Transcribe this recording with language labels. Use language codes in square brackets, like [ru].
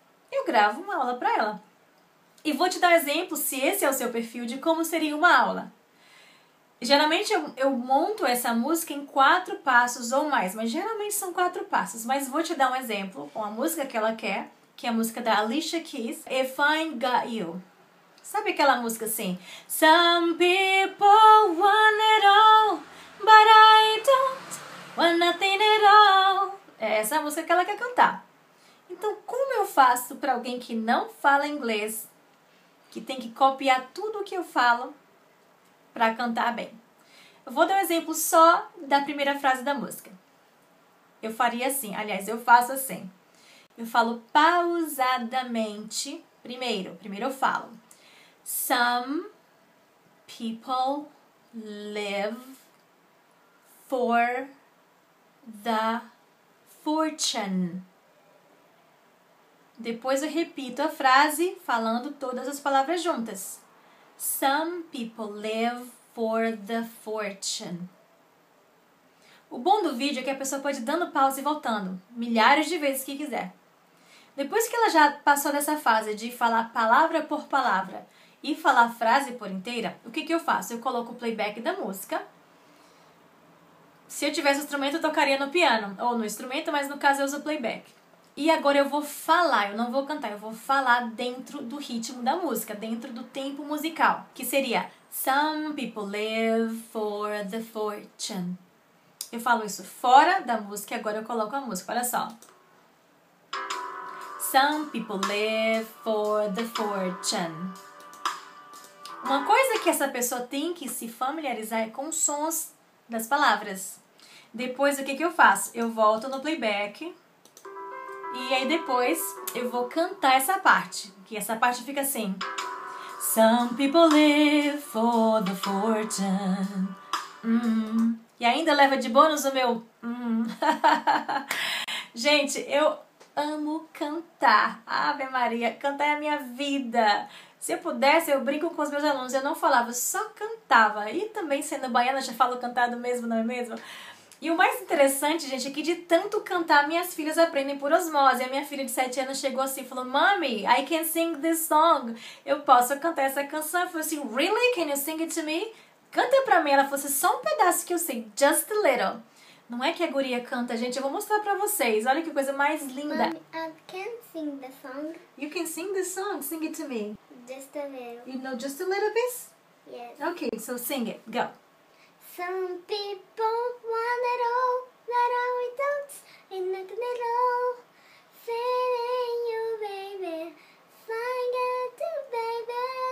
[pt] Eu gravo uma aula para ela. E vou te dar um exemplo, se esse é o seu perfil, de como seria uma aula. Geralmente eu monto essa música em 4 passos ou mais, mas geralmente são 4 passos. Mas vou te dar um exemplo com a música que ela quer, que é a música da Alicia Keys, If I Got You. Sabe aquela música assim? [en] Some people want it all, but I don't want nothing at all. [pt] É essa a música que ela quer cantar. Então, como eu faço para alguém que não fala inglês, que tem que copiar tudo o que eu falo para cantar bem? Eu vou dar um exemplo só da primeira frase da música. Eu faria assim, aliás, eu faço assim. Eu falo pausadamente, primeiro eu falo. [en] Some people live for the fortune. [pt] Depois eu repito a frase falando todas as palavras juntas. [en] Some people live for the fortune. [pt] O bom do vídeo é que a pessoa pode ir dando pausa e voltando, milhares de vezes que quiser. Depois que ela já passou dessa fase de falar palavra por palavra e falar a frase por inteira, o que, que eu faço? Eu coloco o playback da música. Se eu tivesse instrumento, eu tocaria no piano ou no instrumento, mas no caso eu uso o playback. E agora eu vou falar, eu não vou cantar, eu vou falar dentro do ritmo da música, dentro do tempo musical, que seria [en] Some people live for the fortune. [pt] Eu falo isso fora da música e agora eu coloco a música, olha só. [en] Some people live for the fortune. [pt] Uma coisa que essa pessoa tem que se familiarizar é com os sons das palavras. Depois, o que, que eu faço? Eu volto no playback. E aí depois eu vou cantar essa parte, que essa parte fica assim. [en] Some people live for the fortune. [pt] E ainda leva de bônus o meu... Gente, eu amo cantar. Ave Maria, cantar é a minha vida. Se eu pudesse, eu brinco com os meus alunos, eu não falava, só cantava. E também sendo baiana, já falo cantado mesmo, não é mesmo? E o mais interessante, gente, é que de tanto cantar, minhas filhas aprendem por osmose. A minha filha de 7 anos chegou assim e falou, [en] Mommy, I can sing this song. [pt] Eu posso cantar essa canção. Eu falei assim, [en] really? Can you sing it to me? [pt] Canta pra mim. Ela falou assim, só um pedaço que eu sei, [en] just a little. [pt] Não é que a guria canta, gente. Eu vou mostrar pra vocês. Olha que coisa mais linda. [en] Mommy, I can sing the song. You can sing the song? Sing it to me. Just a little. You know just a little bit? Yes. Okay, so sing it. Go. Some people want it all, but we don't, and nothing at all. Feeling you, baby, find out, baby,